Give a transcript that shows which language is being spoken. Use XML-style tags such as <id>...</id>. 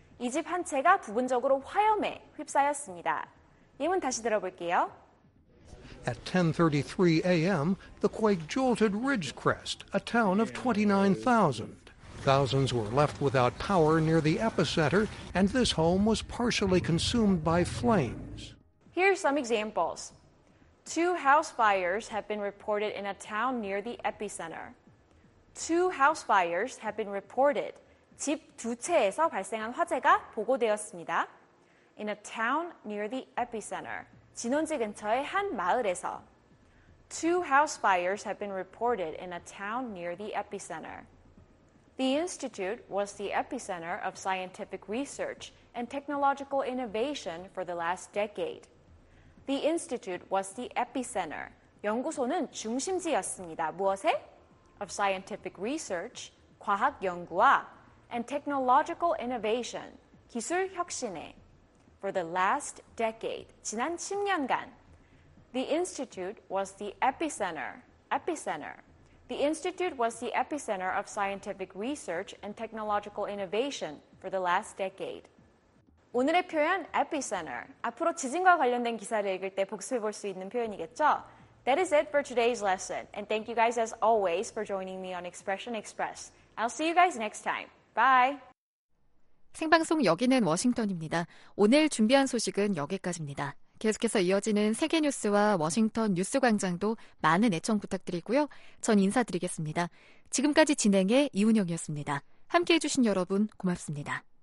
<ko>이 집 한 채가 부분적으로 화염에 휩싸였습니다. 예문 다시 들어볼게요.</ko> <en>At 10:33 a.m., the quake jolted Ridgecrest, a town of 29,000. Thousands were left without power near the epicenter, and this home was partially consumed by flames. Here are some examples. Two house fires have been reported in a town near the epicenter. Two house fires have been reported.</en> <ko>집 두 채에서 발생한 화재가 보고되었습니다.</ko> <en>In a town near the epicenter.</en> <ko>진원지 근처의 한 마을에서.</ko> <en>Two house fires have been reported in a town near the epicenter. The institute was the epicenter of scientific research and technological innovation for the last decade. The institute was the epicenter.</en> <ko>연구소는 중심지였습니다. 무엇에?</ko> <en>of scientific research,</en> <ko>과학 연구와</ko> <en>and technological innovation,</en> <ko>기술 혁신에</ko> <en>for the last decade,</en> <ko>지난 10년간</ko> <en>The institute was the epicenter, epicenter. The institute was the epicenter of scientific research and technological innovation for the last decade.</en> <ko>오늘의 표현 epicenter, 앞으로 지진과 관련된 기사를 읽을 때 복습해 볼 수 있는 표현이겠죠?</ko> <en>That is it for today's lesson. And thank you guys as always for joining me on Expression Express. I'll see you guys next time. Bye.</en> <ko>생방송 여기는 워싱턴입니다. 오늘 준비한 소식은 여기까지입니다. 계속해서 이어지는 세계 뉴스와 워싱턴 뉴스 광장도 많은 애청 부탁드리고요. 전 인사드리겠습니다. 지금까지 진행해 이운영이었습니다. 함께해 주신 여러분 고맙습니다.</ko>